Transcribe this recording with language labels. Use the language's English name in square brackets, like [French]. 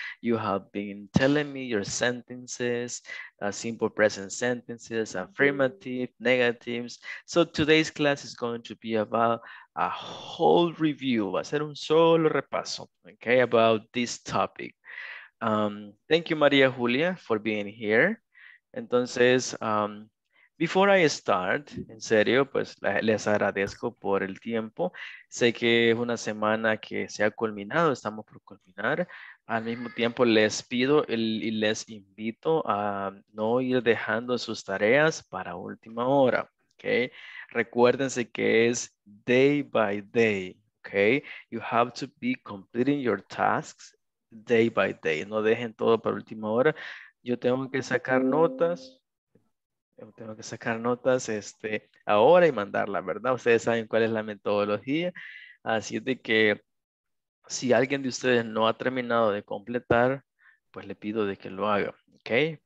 [English] You have been telling me your sentences, simple present sentences, affirmative, negatives. So today's class is going to be about a whole review, [Spanish] hacer un solo repaso, [English] okay, about this topic. Thank you, Maria Julia, for being here. [Spanish] Entonces, [English] before I start, [Spanish] en serio, pues les agradezco por el tiempo. Sé que es una semana que se ha culminado, estamos por culminar. Al mismo tiempo, les pido y les invito a no ir dejando sus tareas para última hora, okay? Recuérdense que es [English] day by day, [Spanish] okay? [English] You have to be completing your tasks day by day. [Spanish] No dejen todo para última hora. Yo tengo que sacar notas. Tengo que sacar notas ahora y mandarla, ¿verdad? Ustedes saben cuál es la metodología. Así de que si alguien de ustedes no ha terminado de completar, pues le pido de que lo haga, ¿ok?